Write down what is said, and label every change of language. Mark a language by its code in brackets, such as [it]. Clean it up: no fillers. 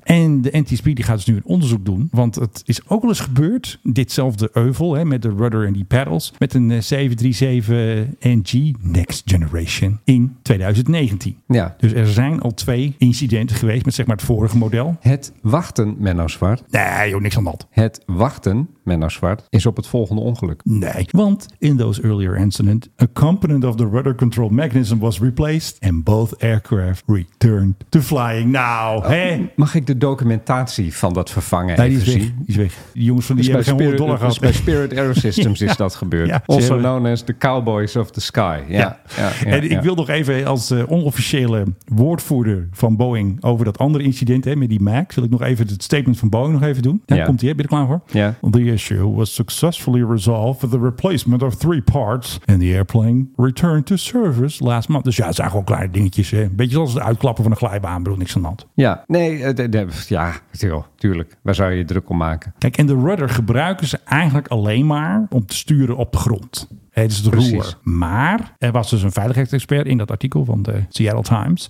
[nl] En de NTSB die gaat dus nu een onderzoek doen, want het is ook wel eens gebeurd, ditzelfde euvel, hè, met de rudder en die paddles, met een 737NG Next Generation in 2019. Ja. Dus er zijn al twee incidenten geweest met zeg maar het vorige model. Het wachten, Menno Zwart. Nee, joh, niks aan dat. Het wachten, Menno Zwart, is op het volgende ongeluk. Nee, want [en] in those earlier incidents, a component of the rudder control mechanism was replaced and both aircraft returned to flying. [nl] Nou, hè? Mag ik de documentatie van dat vervangen even zien? Nee, die is weg. Die jongens van die hebben geen $100 gehad. Bij Spirit Aerosystems is dat gebeurd. [en] Ja. [nl] Also hebben... [en] known as the Cowboys of the Sky. Ja. Ja. Ja. [nl] En ik wil nog even als onofficiële woordvoerder van Boeing over dat andere incident, hè, met die Max, wil ik nog even het statement van Boeing nog even doen. Daar komt hij, ben je er klaar voor? Ja. [en] The issue was successfully resolved with the replacement of three parts and the airplane returned to service last month. [nl] Dus ja, het zijn gewoon kleine dingetjes. Hè. Beetje zoals het uitklappen van een glijbaan, bedoel niks aan de hand. Ja, nee, tuurlijk. Waar zou je druk om maken? Kijk, en de rudder gebruiken ze eigenlijk alleen maar om te sturen op de grond. Het is de roer. Maar er was dus een veiligheidsexpert in dat artikel van de Seattle Times.